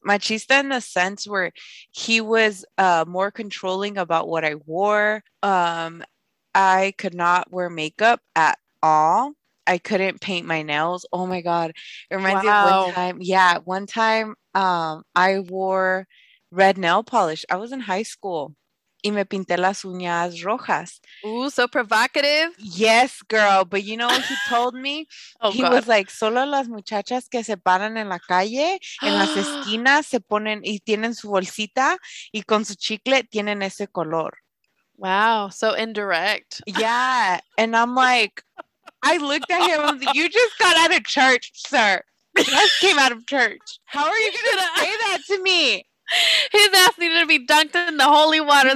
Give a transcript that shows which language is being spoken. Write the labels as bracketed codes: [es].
[en] Machista in the sense where he was more controlling about what I wore. I could not wear makeup at all. I couldn't paint my nails. Oh my God. It reminds me of one time I wore red nail polish. I was in high school. [es] Y me pinté las uñas rojas. [en] Ooh, so provocative. Yes, girl. But you know what he told me? Oh, he God. Was like, [es] solo las muchachas que se paran en la calle, en las esquinas, se ponen y tienen su bolsita y con su chicle tienen ese color. [en] Wow, so indirect. Yeah, and I'm like, I looked at him, you just got out of church, sir. You just came out of church. How are you going to say that to me? His ass needed to be dunked in the holy water.